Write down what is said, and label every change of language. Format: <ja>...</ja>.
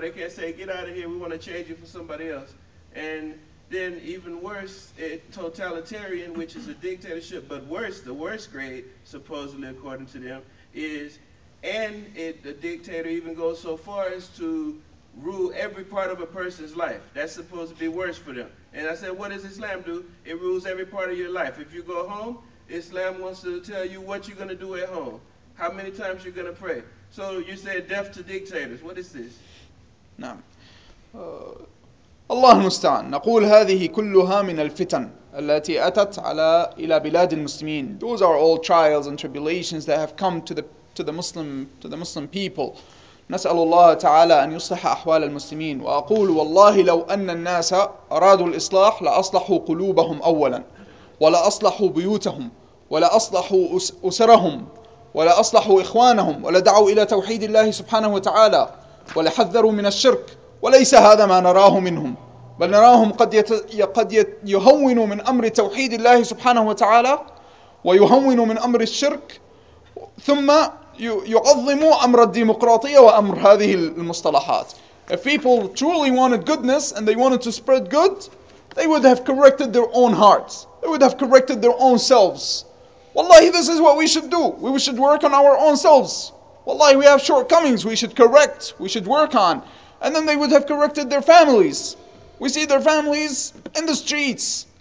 <en>They can't say, get out of here, we want to change you for somebody else. And then even worse, a totalitarian, which is a dictatorship, but worse, the worst grade, supposedly according to them, is, and it, the dictator even goes so far as to rule every part of a person's life. That's supposed to be worse for them. And I said, what does Islam do? It rules every part of your life. If you go home, Islam wants to tell you what you're going to do at home, how many times you're going to pray. So you said death to dictators. What is this? No.</en> <ar>الله المستعان نقول هذه كلها من الفتن التي أتت على إلى بلاد المسلمين.</ar> <en>Those are all trials and tribulations that have come to the Muslim people.</en> <ar>نسأل الله تعالى أن يصلح أحوال المسلمين. وأقول والله لو أن الناس أرادوا الإصلاح لأصلحوا قلوبهم أولا ولا أصلحوا بيوتهم ولا أصلحوا أسرهم ولا أصلحوا إخوانهم ولا دعوا إلى توحيد الله سبحانه وتعالى ولا حذروا من الشرك. وليس هذا ما نراه منهم بل نراهم قد يهون من أمر توحيد الله سبحانه وتعالى ويهون من أمر الشرك ثم يعظم أمر الديمقراطية وأمر هذه المصطلحات.</ar> <en>If people truly wanted goodness and they wanted to spread good, they would have corrected their own hearts. They would have corrected their own selves. Wallahi, this is what we should do. We should work on our own selves. Wallahi, we have shortcomings. We should correct. We should work on. And then they would have corrected their families. We see their families in the streets.</en>